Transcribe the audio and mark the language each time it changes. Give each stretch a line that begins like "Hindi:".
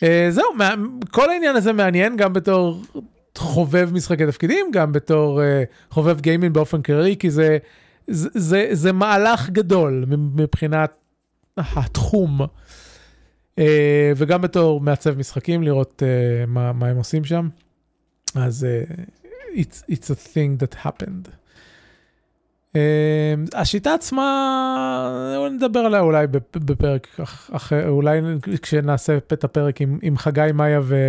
Hebrew: זהו, כל העניין הזה מעניין, גם בתור חובב משחקי תפקידים, גם בתור חובב גיימינג באופן כללי, כי זה מהלך גדול מבחינת התחום, וגם בתור מעצב משחקים, לראות מה הם עושים שם.
English: אז it's a thing that happened.
Hebrew: השיטה עצמה, נדבר עליה אולי בפרק אחר, אולי כשנעשה את הפרק עם חגי מאיה